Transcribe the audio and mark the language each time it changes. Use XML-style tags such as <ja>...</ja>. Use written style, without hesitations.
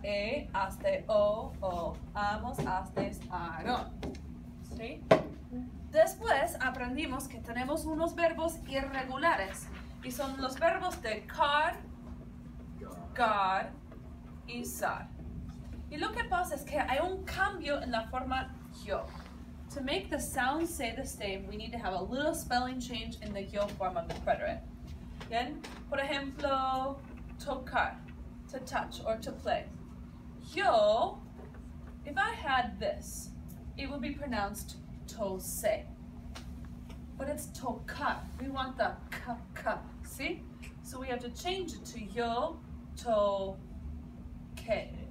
<es>E, haste, o. Amos, hastes, aron. ¿Sí? Después aprendimos que tenemos unos verbos irregulares y son los verbos de car, gar y sar. Y lo que pasa es que hay un cambio en la forma yo.</es> <en>To make the sound say the same, we need to have a little spelling change in the yo form of the preterite.</en> <es>Bien, por ejemplo, tocar,</es> <en>to touch or to play. Yo, if I had this, it would be pronounced tose. But it's tocar. We want the k, see? So we have to change it to yo to ke.</en>